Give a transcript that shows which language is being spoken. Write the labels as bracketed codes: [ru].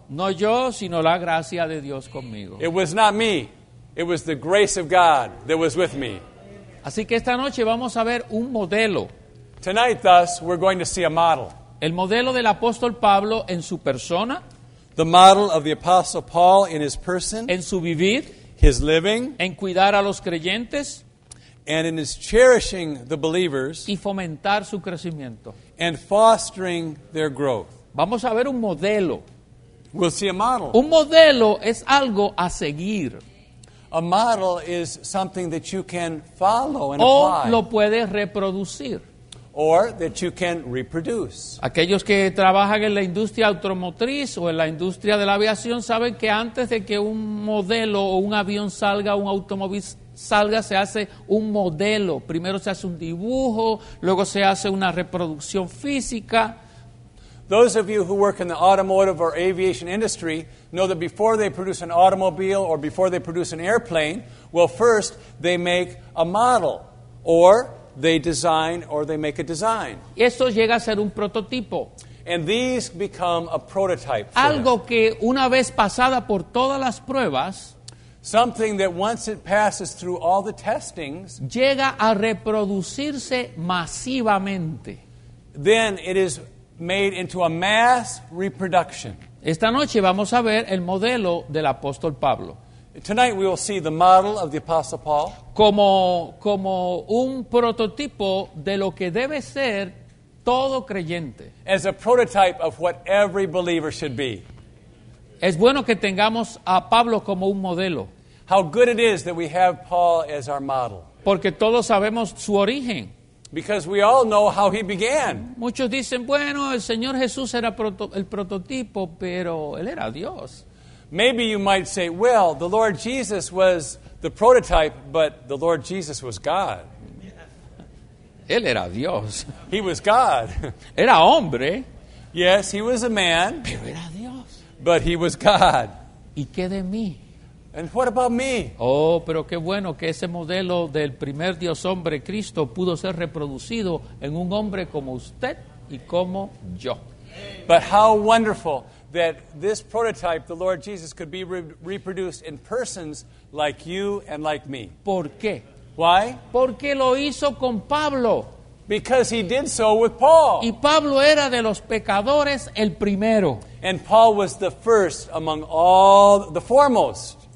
[es] No yo, sino la gracia de Dios conmigo. [en] It was not me. It was the grace of God that was with me. [es] Así que esta noche vamos a ver un modelo. [en] Tonight, thus, we're going to see a model. [es] El modelo del apóstol Pablo en su persona. [en] The model of the apostle Paul in his person. [es] En su vivir. [en] His living. [es] En cuidar a los creyentes. [en] And in his cherishing the believers. [es] Y fomentar su crecimiento. [en] And fostering their growth. [es] Vamos a ver un modelo. [en] We'll see a model. [es] Un modelo es algo a seguir. [en] A model is something that you can follow and o apply. [es] Lo puedes reproducir. [en] Or that you can reproduce. [es] Aquellos que trabajan en la industria automotriz o en la industria de la aviación saben que antes de que un modelo o un avión salga, un automóvil salga, se hace un modelo. Primero se hace un dibujo, luego se hace una reproducción física. [en] Those of you who work in the automotive or aviation industry know that before they produce an automobile or before they produce an airplane, well, first they make a model or they design or they make a design. [es] Esto llega a ser un prototipo. [en] And these become a prototype. [es] Algo [en] for [es] que una vez pasada por todas las pruebas, [en] something that once it passes through all the testings, [es] llega a reproducirse masivamente. [en] Then it is made into a mass reproduction. [es] Esta noche vamos a ver el modelo del apóstol Pablo. [en] Tonight we will see the model of the apostle Paul. [es] Como un prototipo de lo que debe ser todo creyente. [en] As a prototype of what every believer should be. [es] Es bueno que tengamos a Pablo como un modelo. [en] How good it is that we have Paul as our model. [es] Porque todos sabemos su origen. [en] Because we all know how he began. [es] Muchos dicen, bueno, el Señor Jesús era el prototipo, pero él era Dios. [en] Maybe you might say, well, the Lord Jesus was the prototype, but the Lord Jesus was God. [es] Él era Dios. [en] He was God. [es] Era hombre. [en] Yes, he was a man. [es] Pero era Dios. [en] But he was God. [es] ¿Y qué de mí? [en] And what about me? [es] Oh, pero qué bueno que ese modelo del primer Dios hombre Cristo pudo ser reproducido en un hombre como usted y como yo. [en] But how wonderful that this prototype, the Lord Jesus, could be reproduced in persons like you and like me. [es] ¿Por qué? [en] Why? [es] Porque lo hizo con Pablo. [en] Because he did so with Paul. [es] Y Pablo era de los pecadores el primero. [en] And Paul was the first among all, the foremost.